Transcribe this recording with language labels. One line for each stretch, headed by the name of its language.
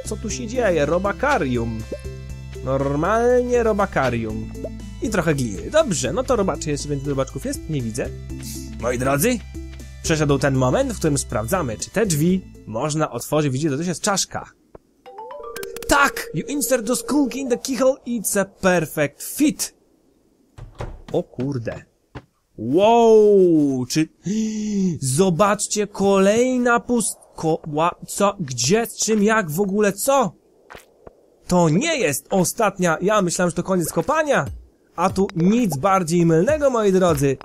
Polish: Co tu się dzieje? Robakarium. Normalnie robakarium. I trochę gliny. Dobrze, no to robaczy, jeszcze więcej robaczków jest? Nie widzę. Moi drodzy, przeszedł ten moment, w którym sprawdzamy, czy te drzwi można otworzyć. Widzicie, to też jest czaszka. Tak!
English: You insert the skunk in the keyhole, it's a perfect fit!
Polish: O kurde. Wow, czy... Zobaczcie, kolejna pustka... Co? Gdzie? Z czym? Jak? W ogóle co? To nie jest ostatnia... Ja myślałem, że to koniec kopania. A tu nic bardziej mylnego, moi drodzy.